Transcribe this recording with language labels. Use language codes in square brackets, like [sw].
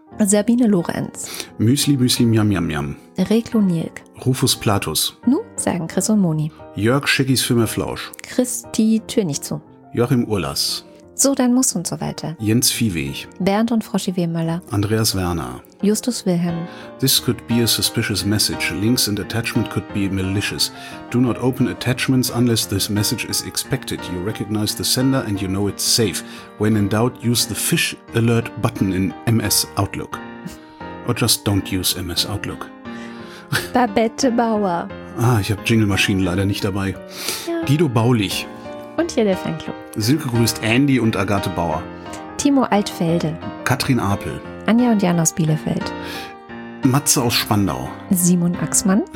[de] Sabine Lorenz. Müsli Müsli Miam Miam Miam. Reklo Nielk. Rufus Platus. Nu, sagen Chris und Moni. Jörg Schickis für mehr Flausch. Chris, die Tür nicht zu. Joachim Urlass. So, dann muss und so weiter. Jens Viehweg. Bernd und Froschi Wehmöller. Andreas Werner. Justus Wilhelm. [en] This could be a suspicious message. Links and attachment could be malicious. Do not open attachments unless this message is expected. You recognize the sender and you know it's safe. When in doubt, use the fish alert button in MS Outlook. Or just don't use MS Outlook. [de] Babette Bauer. Ah, ich habe Jingle Machine leider nicht dabei. Ja. Guido Baulich. Und hier der Fanclub. Silke grüßt Andy und Agathe Bauer. Timo Altfelde. Katrin Apel. Anja und Jan aus Bielefeld. Matze aus Spandau. Simon Axmann.